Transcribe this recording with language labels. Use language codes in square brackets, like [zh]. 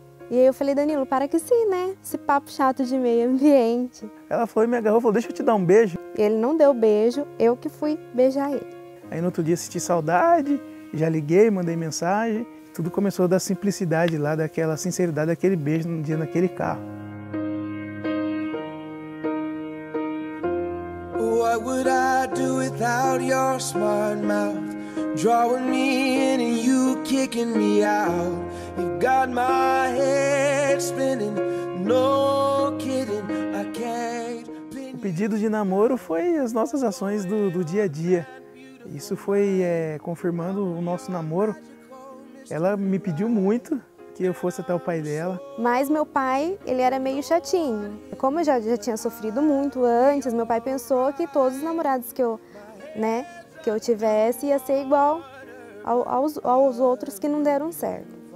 [pt] E aí eu falei, Danilo, para que sim, né? Esse papo chato de meio ambiente. Ela falou e me agarrou, falou, deixa eu te dar um beijo. Ele não deu beijo, eu que fui beijar ele. Aí no outro dia senti saudade, já liguei, mandei mensagem. Tudo começou da simplicidade lá, daquela sinceridade, daquele beijo no dia naquele carro. [en] What would I do without your smart mouth? Drawing me in and you kicking me out. You got my head spinning, no kidding, I can't. [pt] O pedido de namoro foi as nossas ações do dia a dia. Isso foi confirmando o nosso namoro. Ela me pediu muito que eu fosse até o pai dela. Mas meu pai, ele era meio chatinho. Como eu já tinha sofrido muito antes, meu pai pensou que todos os namorados que eu, né, que eu tivesse ia ser igual aos outros que não deram certo.